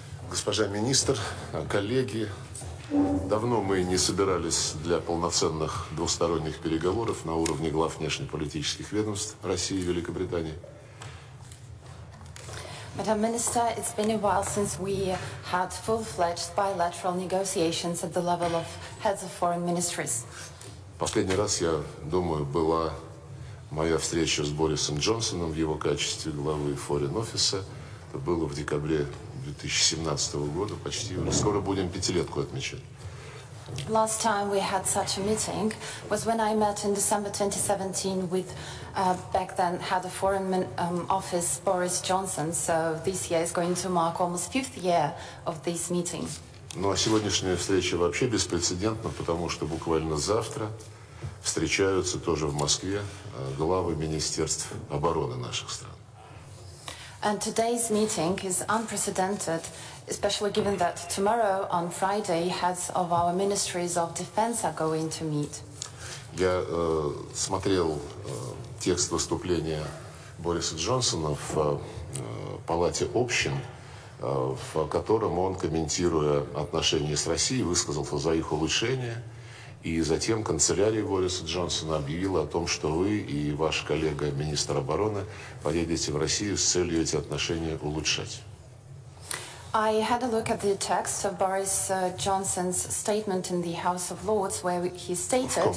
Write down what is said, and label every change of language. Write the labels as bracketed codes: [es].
[ru] Госпожа министр, коллеги, давно мы не собирались для полноценных двусторонних переговоров на уровне глав внешнеполитических ведомств России и Великобритании. [en] Madam Minister, it's been a while since we had full-fledged bilateral negotiations at the level of heads of foreign ministries. [ru] Последний раз, я думаю, была моя встреча с Борисом Джонсоном в его качестве главы Foreign Office. Это было в декабре 2017 года, почти. Скоро будем пятилетку отмечать. [en] Last time we had such a meeting was when I met in December 2017 with back then head of foreign office Boris Johnson. So this year is going to mark almost fifth year of this meeting. [ru] Ну а сегодняшняя встреча вообще беспрецедентна, потому что буквально завтра встречаются тоже в Москве главы министерств обороны наших стран. [en] And today's meeting is unprecedented, especially given that tomorrow, on Friday, heads of our ministries of defense are going to meet. [ru] Я смотрел текст выступления Бориса Джонсона в Палате общин, в котором он, комментируя отношения с Россией, высказался за их улучшение. И затем канцелярия Бориса Джонсона объявила о том, что вы и ваш коллега, министр обороны, поедете в Россию с целью эти отношения улучшать. [en] I had a look at the text of Boris Johnson's statement in the House of Lords, where he stated...